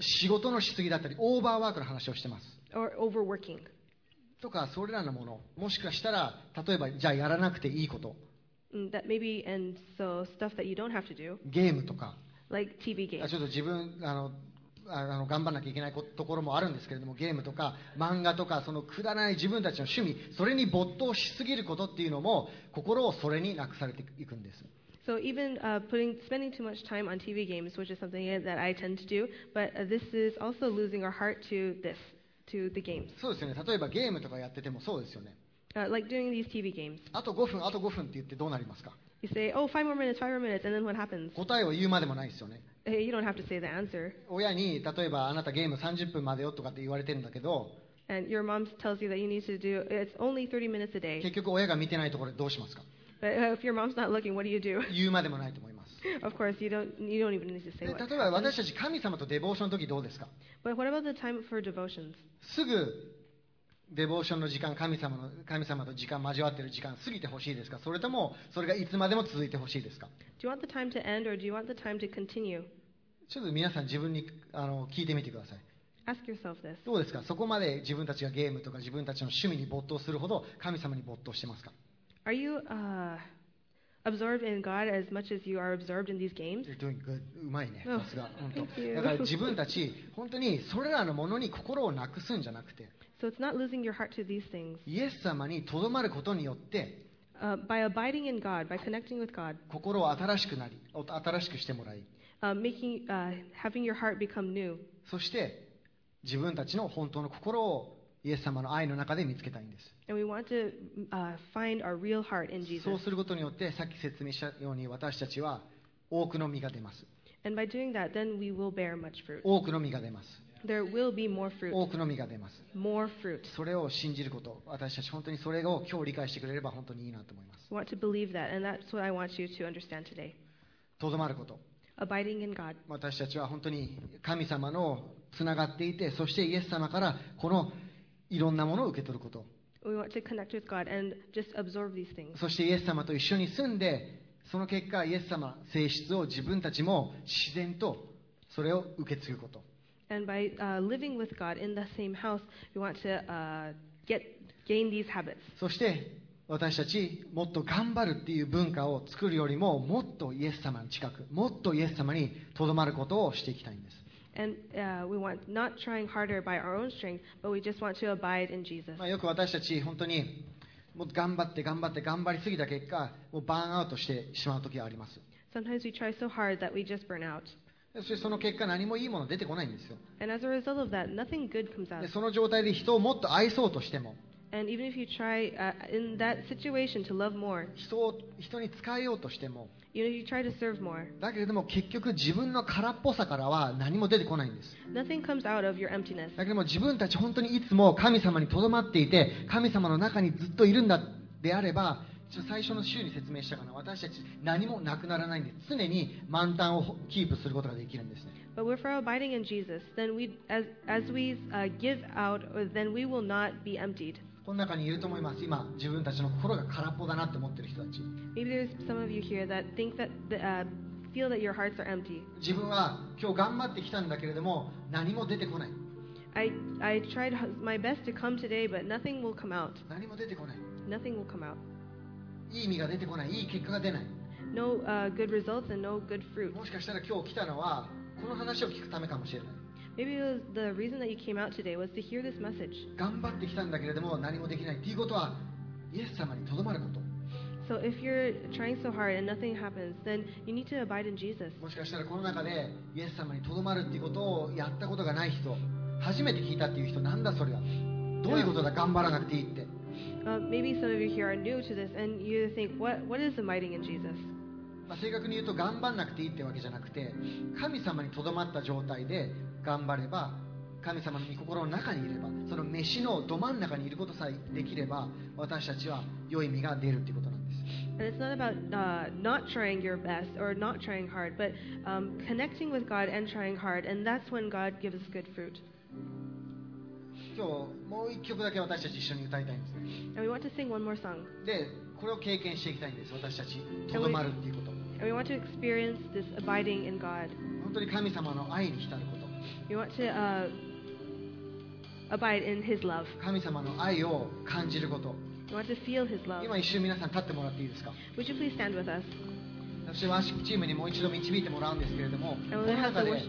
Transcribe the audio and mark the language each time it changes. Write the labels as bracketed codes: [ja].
[ja] 仕事のしすぎだったり、オーバーワークの話をしてます。 [en] Or overworking. [ja] とかそれらのもの、もしかしたら例えばじゃあやらなくていいこと。 [en] That maybe and so stuff that you don't have to do. [ja] ゲームとか。 [en] Like TV games. [ja] ちょっと自分頑張らなきゃいけないところもあるんですけれども、ゲームとか漫画とかそのくだらない自分たちの趣味、それに没頭しすぎることっていうのも心をそれになくされていくんです。 [en] So even spending too much time on TV games, which is something that I tend to do, but this is also losing our heart to this, to the games. [ja] そうですよね。例えばゲームとかやっててもそうですよね。 [en] Like doing these TV games. [ja] あと5分、あと5分って言ってどうなりますか？ [en] You say, oh, five more minutes, five more minutes, and then what happens? [ja] 答えを言うまでもないですよね。 [en] Hey, you don't have to say the answer. [ja] 親に例えばあなたゲーム30分までよとかって言われてるんだけど。 [en] And your mom tells you that you need to do it's only 30 minutes a day. [ja] 結局親が見てないところでどうしますか？ [en] But if your mom's not looking, what do you do? [ja] 言うまでもないと思います。 [en] Of course, you don't even need to say what. [ja] 例えば私たち神様とデボーションの時どうですか？ [en] But what about the time for devotions? [ja] すぐデボーションの時間、神様と時間交わっている時間過ぎてほしいですか？それともそれがいつまでも続いてほしいですか？ [en] Do you want the time to end or do you want the time to continue? [ja] ちょっと皆さん自分に聞いてみてください。 [en] Ask yourself this. [ja] どうですか？そこまで自分たちがゲームとか自分たちの趣味に没頭するほど神様に没頭してますか？ [en] Are you absorbed in God as much as you are absorbed in these games? You're doing good. [ja] うまいね。さすが。本当。 [en] Thank you. [ja] だから自分たち本当にそれらのものに心をなくすんじゃなくて、 [en] So it's not losing your heart to these things. [ja] イエス様にとどまることによって、 [en] by abiding in God, by connecting with God, [ja] 心を新しくなり、新しくしてもらい、 [en] having your heart become new. [ja] そして自分たちの本当の心をイエス様の愛の中で見つけたいんです。 [en] And we want to find our real heart in Jesus. [ja] そうすることによって、さっき説明したように私たちは多くの実が出ます。 [en] And by doing that, then we will bear much fruit. [ja] 多くの実が出ます。 [en] There will be more fruit. [ja] 多くの実が出ます。 [en] More fruit. [ja] それを信じること、私たち本当にそれを今日理解してくれれば本当にいいなと思います。 [en] I want to believe that, and that's what I want you to understand today. [ja] とどまること。 [en] Abiding in God. [ja] 私たちは本当に神様のつながっていて、そしてイエス様からこのいろんなものを受け取ること。 [en] We want to connect with God and just absorb these things. [ja] そしてイエス様と一緒に住んで、その結果イエス様性質を自分たちも自然とそれを受け継ぐこと。 [en] And by living with God in the same house, we want to gain these habits. [ja] そして私たちもっと頑張るっていう文化を作るよりも、もっとイエス様に近く、もっとイエス様にとどまることをしていきたいんです。 [en] And we want not trying harder by our own strength, but we just want to abide in Jesus. [ja] まあよく私たち本当にもう頑張って頑張って頑張りすぎた結果、もうバーンアウトしてしまう時があります。 [en] Sometimes we try so hard that we just burn out. [ja] そしてその結果何もいいもの出てこないんですよ。 [en] And as a result of that, nothing good comes out. [ja] でその状態で人をもっと愛そうとしても、 [en] And even if you try in that situation to love more, [ja] 人に使えようとしても、 [en] Even if you try to serve more, [ja] だけれども結局自分の空っぽさからは何も出てこないんです。 [en] Nothing comes out of your emptiness. [ja] だけれども自分たち本当にいつも神様にとどまっていて、神様の中にずっといるんだであれば、最初の週に説明したかな、私たち何もなくならないんで、常に満タンをキープすることができるんですね。 [en] But if we're abiding in Jesus, then we give out, then we will not be emptied. [ja] この中にいると思います。今自分たちの心が空っぽだなって思ってる人たち。 [en] Maybe there's some of you here that think that the, feel that your hearts are empty. [ja] 自分は今日頑張ってきたんだけれども何も出てこない。 [en] I tried my best to come today, but nothing will come out. [ja] 何も出てこない。 [en] Nothing will come out. [ja] いい意味が出てこない。いい結果が出ない。 [en] No good results and no good fruit. [ja] もしかしたら今日来たのはこの話を聞くためかもしれない。 [en] Maybe it was the reason that you came out today was to hear this message. [ja] 頑張ってきたんだけれども何もできないっていうことは、イエス様にとどまること。 [en] So if you're trying so hard and nothing happens, then you need to abide in Jesus. [ja] もしかしたらこの中でイエス様にとどまるっていうことをやったことがない人、初めて聞いたっていう人、なんだそれは。どういうことだ、頑張らなくていいって。 [en] Maybe some of you here are new to this and you think, what is abiding in Jesus? [ja] まあ、正確に言うと頑張らなくていいってわけじゃなくて、神様にとどまった状態で頑張れば、神様の御心の中にいれば、その飯のど真ん中にいることさえできれば、私たちは良い実が出るっていうことなんです。 [en] And it's not about not trying your best or not trying hard, but connecting with God and trying hard, and that's when God gives us good fruit. [ja] 今日もう一曲だけ私たち一緒に歌いたいんですね。 [en] And we want to sing one more song. [ja] で、これを経験していきたいんです、私たち。とどまるっていうこと。 [en] And we want to experience this abiding in God. [ja] 本当に神様の愛に浸ること。 [en] We want to abide in His love. [ja] 神様の愛を感じること。 [en] We want to feel His love. [ja] 今一瞬皆さん立ってもらっていいですか。 [en] Would you please stand with us? [ja] 私ワーシップチームにもう一度導いてもらうんですけれども、この中で